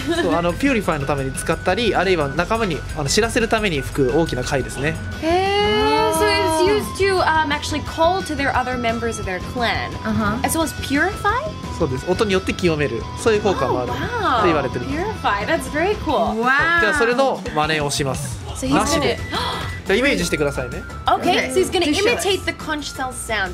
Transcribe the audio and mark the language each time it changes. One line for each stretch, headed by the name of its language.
Japanese: そう、あの、ピューリファイのために使ったり、あるいは仲間に、あの、知らせるために吹く大きな貝ですね。
English: So it's used to actually call to their other members of their clan. Uh-huh. As well as purify?
Japanese: そうです、音によって清める、そういう効果もあると言われてる。
English: Purify, that's very cool. Wow.
Japanese: じゃあ、それの真似をします。イメージしてくださいね。
English: Okay, so he's gonna imitate the conch shell sound.